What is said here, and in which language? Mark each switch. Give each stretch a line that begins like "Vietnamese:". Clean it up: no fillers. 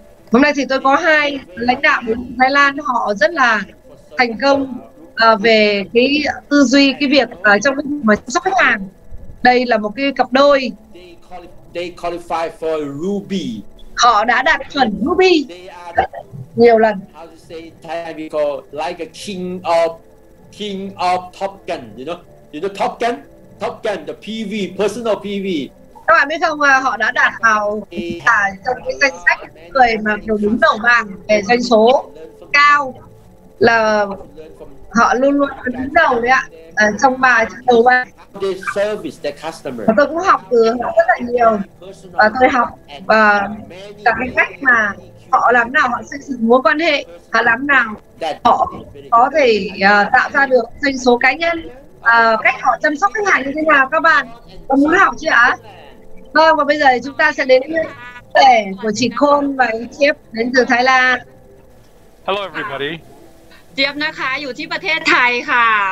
Vietnamese: Hôm nay thì tôi có 2 lãnh đạo của Thái Lan, họ rất là thành công về cái tư duy, cái việc trong cái mà chăm sóc khách hàng. Đây là một cái cặp đôi.
English: They qualify for Ruby.
Vietnamese: Họ đã đạt chuẩn Ruby nhiều lần.
English: How to say Thai we call like a king of Top Gun, you know Top Gun? Top Gun, the PV, personal PV.
Vietnamese: Các bạn biết không, họ đã đạt vào trong cái danh sách người mà đứng đầu bảng về doanh số cao, là họ luôn luôn đứng đầu đấy ạ, trong bài.
English: They service their customer.
Vietnamese: Và tôi cũng học từ họ rất là nhiều. Và tôi học cả cái cách mà họ làm nào họ xây dựng mối quan hệ, họ làm nào họ có thể tạo ra được doanh số cá nhân, cách họ chăm sóc khách hàng như thế nào. Các bạn có muốn học chưa ạ? Vâng, và bây giờ chúng ta sẽ đến với trẻ của chị Khôn và anh Chiếp đến từ Thái Lan.
English: Hello everybody.
Thai: Chiếp nè khá, อยู่ ที่ประเทศไทย ค่ะ.